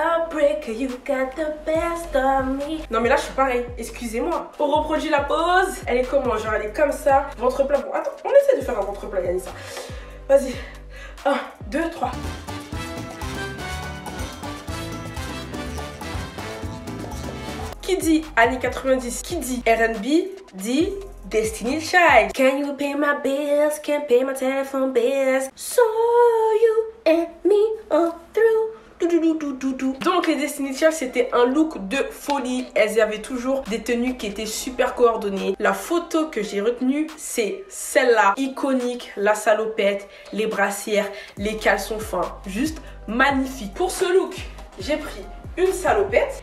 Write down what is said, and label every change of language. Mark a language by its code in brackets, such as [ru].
[en] Break, you got the best of me. [fr] Non mais là je suis pareil, excusez-moi. On reproduit la pose. Elle est comment? Genre elle est comme ça. Ventre plat. Bon attends, on essaie de faire un ventre plat, Yanissa. Vas-y. 1, 2, 3. Qui dit années 90? Qui dit R&B? Dit Destiny's Child. [en] Can you pay my bills? Can't pay my telephone bills. So you and me all through. [fr] Donc les Destiny's Child, c'était un look de folie. Elles avaient toujours des tenues qui étaient super coordonnées. La photo que j'ai retenue, c'est celle-là. Iconique, la salopette, les brassières, les caleçons fins. Juste magnifique. Pour ce look, j'ai pris une salopette.